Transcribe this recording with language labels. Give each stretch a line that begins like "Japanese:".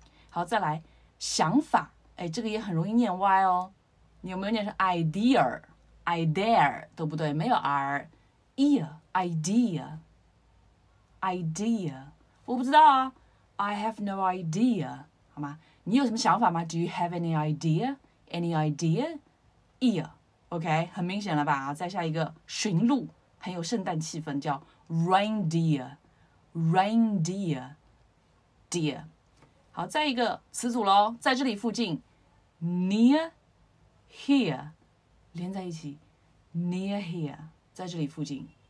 Chinese: 好，再来想法，哎，这个也很容易念歪哦，你有没有念成 idea 都不对，没有 r， ear idea 我不知道啊，
English: I have no idea，
Chinese: 好吗？你有什么想法吗？
English: Do you have any idea ear OK，
Chinese: 很明显了吧。再下一个驯鹿，很有圣诞气氛，叫 reindeer deer。好，再一个词组咯，在这里附近 near here 连在一起Near here， 在这里附近。